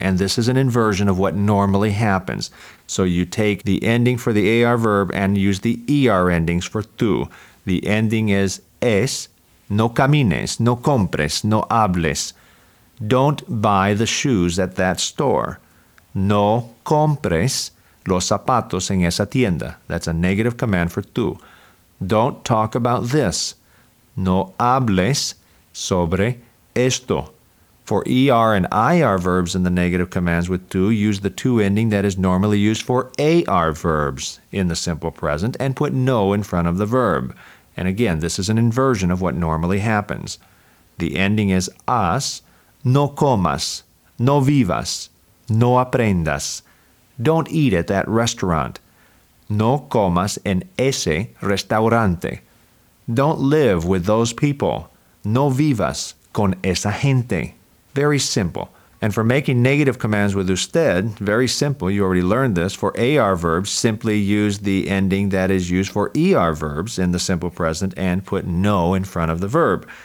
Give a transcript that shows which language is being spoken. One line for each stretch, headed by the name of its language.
English: And this is an inversion of what normally happens. So you take the ending for the AR verb and use the ER endings for tú. The ending is
Spanish: es, no camines, no compres, no hables.
English: Don't buy the shoes at that store.
Spanish: No compres los zapatos en esa tienda.
English: That's a negative command for tú. Don't talk about this.
Spanish: No hables sobre esto.
English: For ER and IR verbs in the negative commands with tú, use the tú ending that is normally used for AR verbs in the simple present and put no in front of the verb. And again, this is an inversion of what normally happens. The ending is as,
Spanish: no comas, no vivas, no aprendas.
English: Don't eat at that restaurant.
Spanish: No comas en ese restaurante.
English: Don't live with those people.
Spanish: No vivas con esa gente.
English: Very simple. And for making negative commands with usted, very simple, you already learned this. For AR verbs, simply use the ending that is used for ER verbs in the simple present and put no in front of the verb.